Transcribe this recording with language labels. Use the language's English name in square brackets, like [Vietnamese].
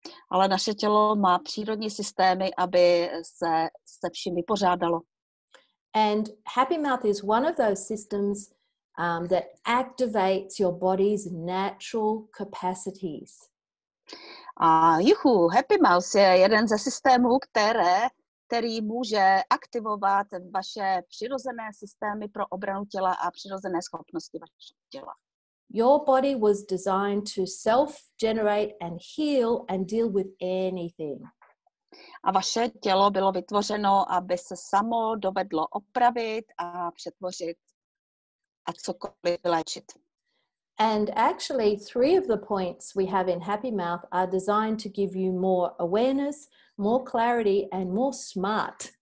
[Czech] Ale naše tělo má přírodní systémy, aby se vším vypořádalo. [English] And Happy Mouth is one of those systems that activates your body's natural capacities. [Czech] A juhu, Happy Mouth je jeden ze systémů, který může aktivovat vaše přirozené systémy pro obranu těla a přirozené schopnosti vašeho těla. [English] Your body was designed to self-generate and heal and deal with anything. [Czech] A vaše tělo bylo vytvořeno, aby se samo dovedlo opravit a přetvořit a cokoliv léčit. [English] And actually, three of the points we have in Happy Mouth are designed to give you more awareness, more clarity, and more smart.